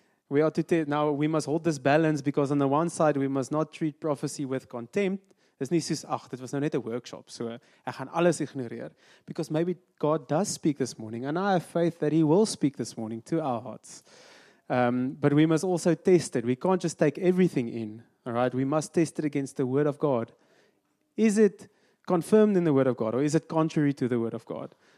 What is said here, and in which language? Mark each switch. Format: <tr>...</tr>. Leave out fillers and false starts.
<en>We are to now we must hold this balance because on the one side we must not treat prophecy with contempt.</en> <af>Dis nie soos ag, dit was nou net 'n workshop, so ek gaan alles ignoreer.</af> <en>Because maybe God does speak this morning and I have faith that he will speak this morning to our hearts. But we must also test it. We can't just take everything in, all right? We must test it against the word of God. Is it confirmed in the word of God or is it contrary to the word of God?</en>